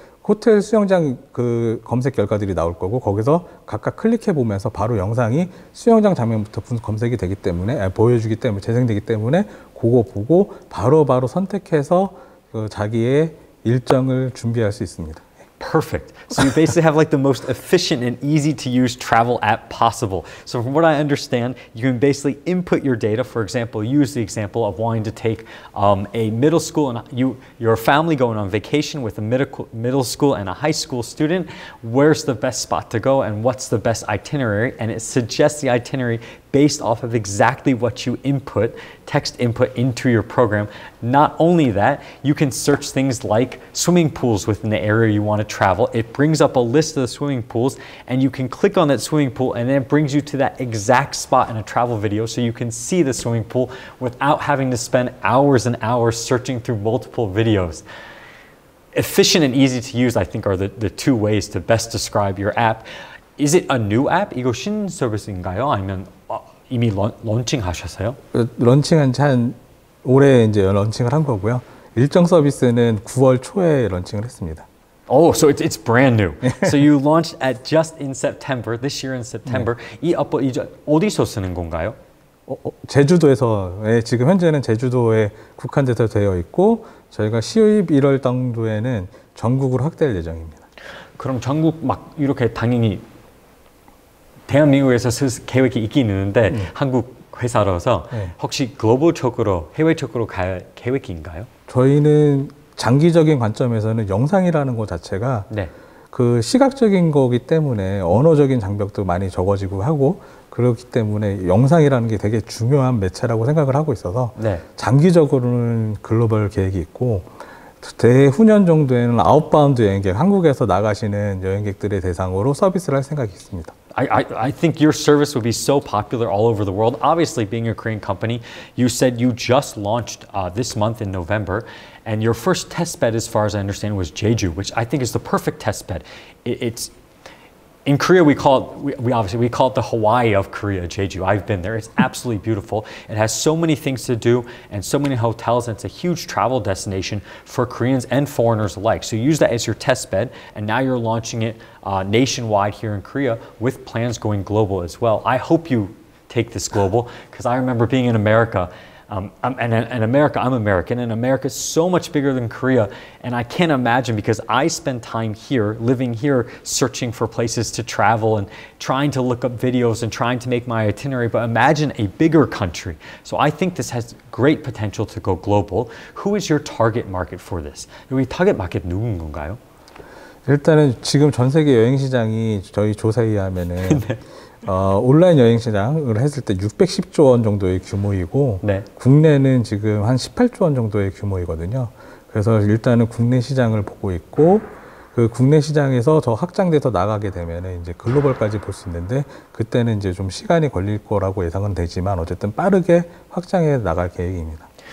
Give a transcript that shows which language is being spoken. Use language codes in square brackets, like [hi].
[ko] 호텔 수영장 그 검색 결과들이 나올 거고 거기서 각각 클릭해 보면서 바로 영상이 수영장 장면부터 검색이 되기 때문에 보여주기 때문에 재생되기 때문에 그거 보고 바로 선택해서 그 자기의 일정을 준비할 수 있습니다. [en] Perfect. So you basically have like the most efficient and easy to use travel app possible. So from what I understand, you can basically input your data. For example, use the example of wanting to take a middle school and your family going on vacation with a middle school and a high school student. Where's the best spot to go and what's the best itinerary? And it suggests the itinerary based off of exactly what you input, text input into your program. Not only that, you can search things like swimming pools within the area you want to travel. It brings up a list of the swimming pools and you can click on that swimming pool and then it brings you to that exact spot in a travel video so you can see the swimming pool without having to spend hours and hours searching through multiple videos. Efficient and easy to use, I think, are the two ways to best describe your app. Is it a new app? [ko] 이거 신 서비스인가요? 아니면 이미 런칭하셨어요? 런칭한 지 한 올해 이제 런칭을 한 거고요. 일정 서비스는 9월 초에 런칭을 했습니다. [en] Oh, so it's brand new. So you launched at just in September, this year in September. [ko] 네. 이 어플 이제 어디서 쓰는 건가요? 제주도에서 예, 지금 현재는 제주도에 국한돼서 되어 있고 저희가 11월 정도에는 전국으로 확대할 예정입니다. 그럼 전국 막 이렇게 당연히 대한민국에서 쓸 계획이 있긴 있는데 한국 회사로서 네. 혹시 글로벌적으로 해외적으로 갈 계획인가요? 저희는 장기적인 관점에서는 영상이라는 것 자체가 네. 그 시각적인 거기 때문에 언어적인 장벽도 많이 적어지고 하고 그렇기 때문에 영상이라는 게 되게 중요한 매체라고 생각을 하고 있어서 네. 장기적으로는 글로벌 계획이 있고 대후년 정도에는 아웃바운드 여행객, 한국에서 나가시는 여행객들의 대상으로 서비스를 할 생각이 있습니다. [en] I think your service would be so popular all over the world. Obviously, being a Korean company, you said you just launched this month in November, and your first test bed, as far as I understand, was Jeju, which I think is the perfect test bed. It's in Korea, we call it the Hawaii of Korea, Jeju. I've been there. It's absolutely beautiful. It has so many things to do and so many hotels, and it's a huge travel destination for Koreans and foreigners alike. So use that as your test bed, and now you're launching it nationwide here in Korea with plans going global as well. I hope you take this global, because I remember being in America, America is so much bigger than Korea, and I can't imagine, because I spend time here, living here, searching for places to travel and trying to look up videos and trying to make my itinerary, but imagine a bigger country. So I think this has great potential to go global. Who is your target market for this? [ko] 우리 타겟 마켓 누군 건가요? 일단은 지금 전 세계 여행 시장이 저희 조사에 의하면은 네. 온라인 여행 시장을 했을 때 610조 원 정도의 규모이고 네. 국내는 지금 한 18조 원 정도의 규모이거든요. 그래서 일단은 국내 시장을 보고 있고 그 국내 시장에서 더 확장돼서 나가게 되면 이제 글로벌까지 볼 수 있는데 그때는 이제 좀 시간이 걸릴 거라고 예상은 되지만 어쨌든 빠르게 확장해 나갈 계획입니다.